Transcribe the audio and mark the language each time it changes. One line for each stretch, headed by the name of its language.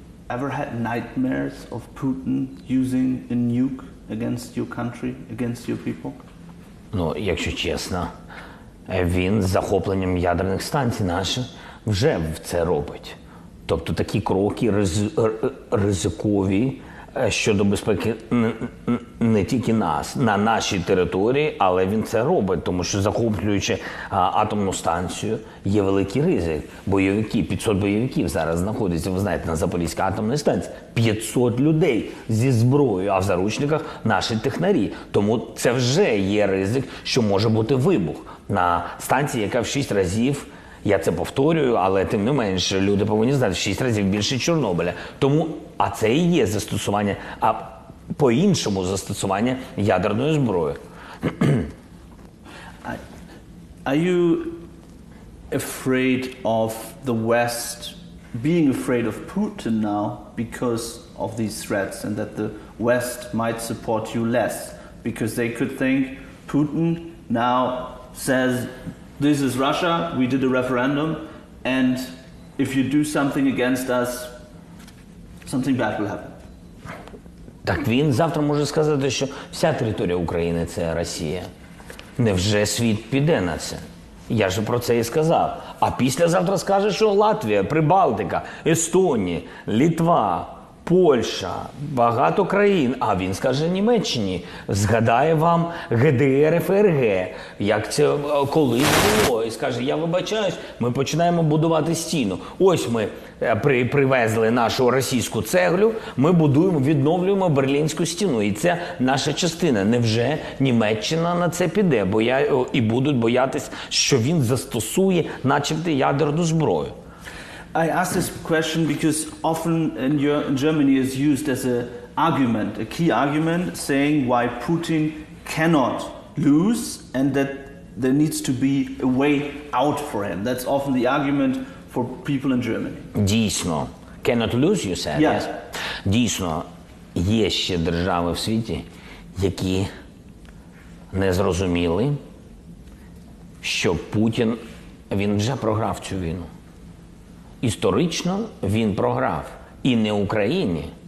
English: Ever had nightmares of Putin using a nuke against your country, against your people?
Ukrainian: Ну, якщо чесно, він з захопленням ядерних станцій наших вже це робить. Тобто такі кроки ризикові щодо безпеки не тільки нас, на нашій території, але він це робить, тому що захоплюючи атомну станцію, є великий ризик. Бойовики, 500 бойовиків зараз знаходяться, ви знаєте, на Запорізькій атомній станції. 500 людей зі зброєю, а в заручниках наші технарі. Тому це вже є ризик, що може бути вибух на станції, яка в 6 разів, я це повторюю, але тим не менше, люди повинні знати, в 6 разів більше Чорнобиля. Тому, а це і є застосування по-іншому застосування ядерної зброї.
English: Are you afraid of the West being afraid of Putin now because of these threats, and that the West might support you less because they could think Putin now says this is Russia, we did a referendum, and if you do something against us, something bad will happen?
Ukrainian: Так він завтра може сказати, що вся територія України – це Росія. Невже світ піде на це? Я ж про це і сказав. А післязавтра скаже, що Латвія, Прибалтика, Естонія, Літва, Польща, багато країн, а він скаже Німеччині, згадає вам ГДР, ФРГ, як це колись було, і скаже, я вибачаюсь, ми починаємо будувати стіну. Ось ми привезли нашу російську цеглю, ми будуємо, відновлюємо Берлінську стіну, і це наша частина. Невже Німеччина на це піде, бо я, і будуть боятись, що він застосує начебто ядерну зброю?
English: I ask this question because often in Germany is used as an argument, a key argument, saying why Putin cannot lose and that there needs to be a way out for him. That's often the argument for people in Germany. Дійсно. Cannot lose, you said? Yes.
Ukrainian: Дійсно, є ще держави в світі, які не зрозуміли, що Путін, він вже програв цю війну. Історично він програв. І не Україні.